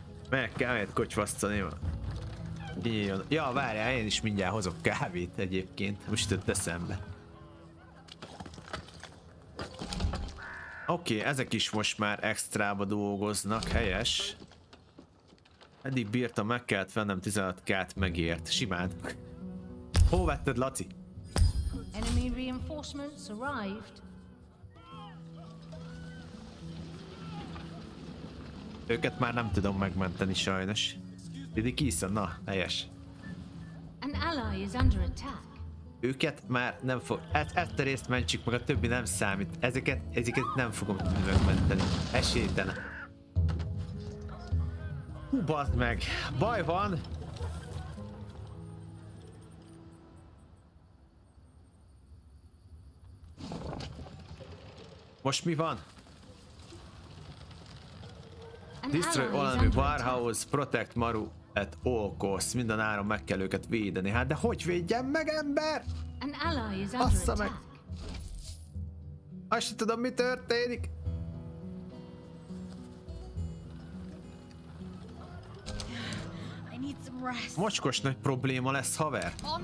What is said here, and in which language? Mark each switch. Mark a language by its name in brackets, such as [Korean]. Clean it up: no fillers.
[Hungarian] Meg kell egy kocsvasztani. Nyíljon. Ja, várjál, én is mindjárt hozok kávét egyébként. Most jutott eszembe. Oké, ezek is most már extrába dolgoznak, helyes. Eddig bírtam, meg kellett vennem 16 kát, megért. Simán. Hó vetted, Laci? [English] Enemy reinforcements arrived. [Hungarian] Őket már nem tudom megmenteni, sajnos. Didi Keeson, na, helyes. [English] An ally is under attack. [Hungarian] Őket már nem fog... ezt a részt mentsük meg, a többi nem számít. Ezeket nem fogom tudni megmenteni. Esélytelen. Hú, bazd meg! Baj van! Most mi van? [English] Destroy all enemy warehouse, protect Maru at all costs. [Hungarian] Minden áron meg kell őket védeni. Hát de hogy védjem meg, ember? Assza meg! Azt sem tudom, mi történik! Mocskos nagy probléma lesz, haver.